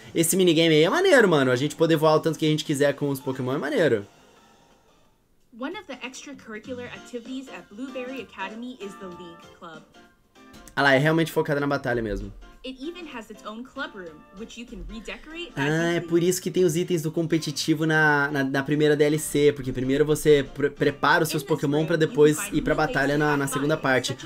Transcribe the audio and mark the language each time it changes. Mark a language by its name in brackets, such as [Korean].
[Portuguese] Esse minigame aí é maneiro, mano. A gente poder voar o tanto que a gente quiser com os Pokémon é maneiro. [English] One of the extracurricular activities at Blueberry Academy is the League Club. [Portuguese] Ah lá, é realmente focada na batalha mesmo. [English] It even has its own club room, which you can redecorate. [Portuguese] Ah, é por isso que tem os itens do competitivo na primeira DLC, porque primeiro você prepara os seus Pokémon pra depois ir pra batalha na segunda parte.